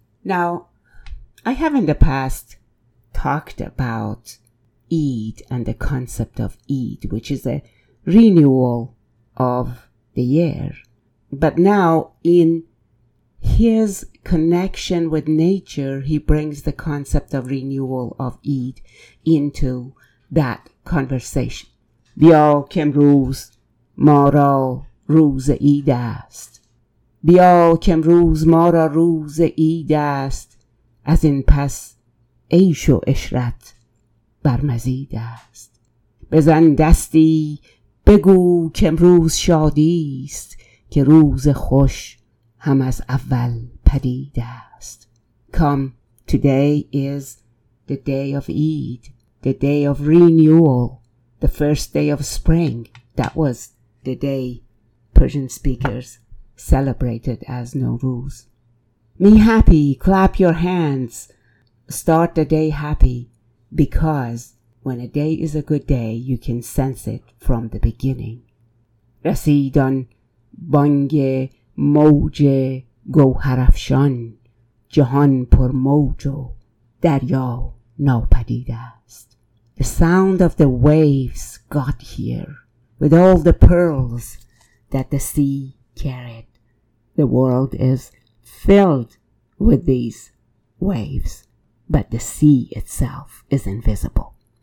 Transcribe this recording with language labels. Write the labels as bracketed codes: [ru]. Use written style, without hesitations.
[en] Now, I have in the past talked about Eid and the concept of Eid, which is a renewal of the year. But now, in his connection with nature, he brings the concept of renewal of Eid into that conversation. [fa] بیا که امروز ما را روز عید است، بیا که امروز ما را روز عید است، از این پس عیش و عشرت بر مزید است. بزن دستی بگو که امروز شادی است، که روز خوش هم از اول پدید است. [en] Come, today is the day of Eid, the day of renewal, the first day of spring. That was the day Persian speakers celebrated as Nowruz. Me happy, clap your hands, start the day happy, because when a day is a good day, you can sense it from the beginning. [fa] رسید آن بانگ موج گوهرافشان، جهان پر موج و دریا ناپدید است. [en] The sound of the waves got here, with all the pearls that the sea carried. The world is filled with these waves, but the sea itself is invisible.